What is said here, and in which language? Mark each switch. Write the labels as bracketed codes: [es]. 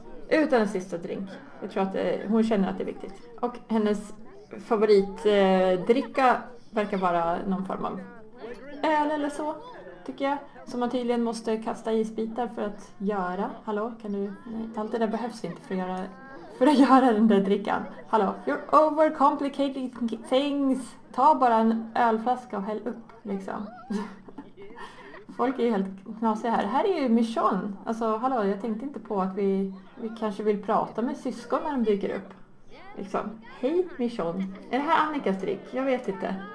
[sv] Utan en sista drink. Jag tror att hon känner att det är viktigt. Och hennes favoritdricka verkar vara någon form av öl eller så, tycker jag. Som man tydligen måste kasta isbitar för att göra. Hallå, kan du... Nej, allt det där behövs inte för att göra den där drickan. [en] Hallå, you're overcomplicating things. [sv] Ta bara en ölflaska och häll upp, liksom. Folk är ju helt knasiga här. Här är ju Michonne. Alltså, hallå, jag tänkte inte på att vi kanske vill prata med syskon när de dyker upp. Liksom, hej Michonne. Är det här Annikas drink? Jag vet inte.